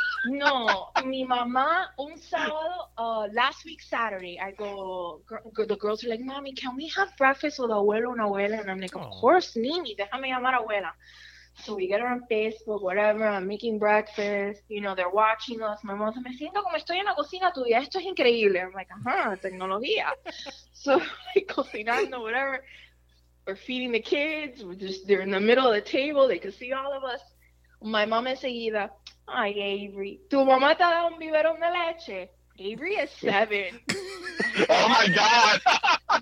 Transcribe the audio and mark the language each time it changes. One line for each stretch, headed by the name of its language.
Spanish: No, mi mamá, un sábado,
English: last week, Saturday, I go, the girls are like, mommy, can we have breakfast with abuelo and abuela? And I'm like, of course, Nini,
Spanish: déjame llamar abuela.
English: So we get her on Facebook, whatever, I'm making breakfast, you know, they're watching us. My mom's like,
Spanish: me siento como estoy en la cocina tuya, esto es increíble.
English: I'm like, tecnología. So, like, cocinando, whatever. We're feeding the kids, they're in the middle of the table, they can see all of us. My mom
Spanish: enseguida, ay, Avery, tu mamá te ha dado un biberón de leche.
English: Avery is 7. Oh, my God.